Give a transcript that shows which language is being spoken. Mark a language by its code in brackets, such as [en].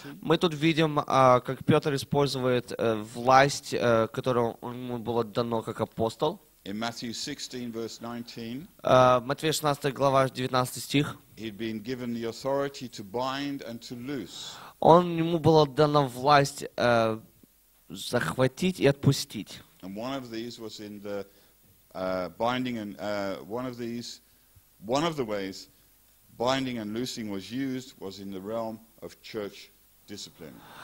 [ru] Мы тут видим, как Петр использует власть, которую ему было дано как апостол. [en] In Matthew 16, verse 19, [ru] Матфея 16, глава 19 стих, [en] he'd been given the authority to bind and to loose. [ru] Он ему была дана власть захватить и отпустить. [en] And one of these was in the binding and one of the ways binding and loosing was used was in the realm of church discipline.